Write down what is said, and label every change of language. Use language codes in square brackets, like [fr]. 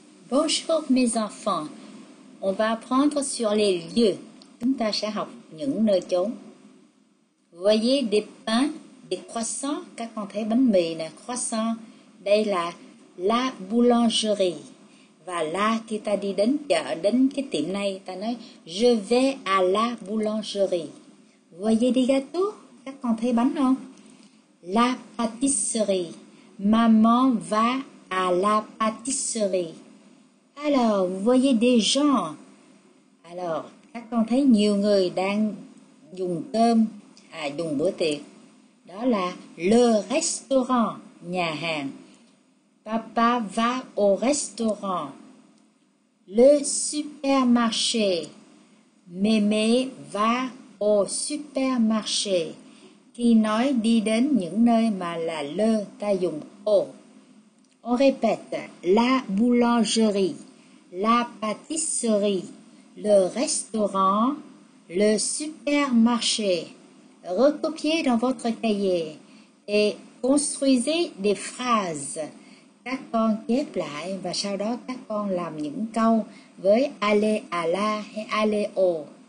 [fr] Bonjour mes enfants, on va apprendre sur les lieux. [vi] Chúng ta sẽ học những nơi chốn. [fr] Voyez des pains, des croissants, [vi] các con thấy bánh mì nè, croissant, đây là [fr] la boulangerie. [vi] Và là khi ta đi đến chợ, đến cái tiệm này, ta nói [fr] je vais à la boulangerie. Voyez des gâteaux, [vi] các con thấy bánh không? [fr] La pâtisserie, maman va à la pâtisserie. Alors, voyez des gens. [vi] Alors, các con thấy nhiều người đang dùng cơm, dùng bữa tiệc. Đó là le restaurant, nhà hàng. [fr] Papa va au restaurant. Le supermarché. Mémé va au supermarché. [vi] Khi nói đi đến những nơi mà là le, ta dùng au. [fr] On répète, la boulangerie. La pâtisserie, le restaurant, le supermarché. Recopiez dans votre cahier et construisez des phrases. [vi] Các con chép lại và sau đó các con làm những câu với aller à la hay aller au.